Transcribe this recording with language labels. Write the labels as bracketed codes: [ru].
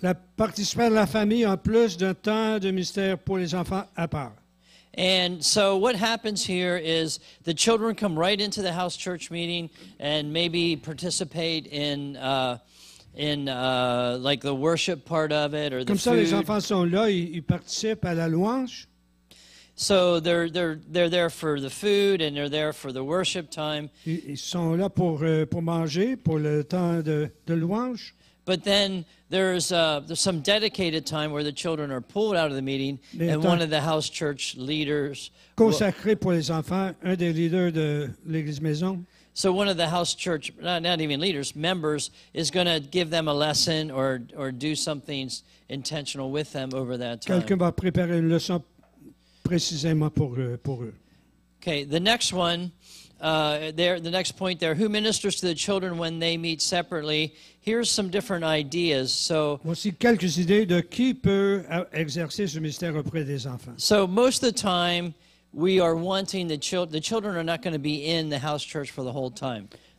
[fr] La participation de la famille en plus d'un temps de ministère pour les enfants à part. [en] And so what happens here is the children come right into the house church meeting and maybe participate in the worship part of it or the [fr] comme ça, [en] food. [fr] Les enfants sont là, ils participent à la louange. [en] So they're there for the food and they're there for the worship time. [fr] Ils sont là pour manger, pour le temps de louange. [en] But then there's some dedicated time where the children are pulled out of the meeting, [fr] mais [en] and one of the house church leaders. [fr] Consacré pour les enfants, un des leaders de l'église maison. [en] So one of the house church, not even leaders, members, is going to give them a lesson or do something intentional with them over that time. [fr] Quelqu'un va préparer une leçon précisément pour eux. [en] Okay, the next one, the next point there, who ministers to the children when they meet separately? Here's some different ideas. So, [fr] voici quelques idées de qui peut exercer ce ministère auprès des enfants. [en] So most of the time, we are wanting the children are not going to be in the house church for the whole time.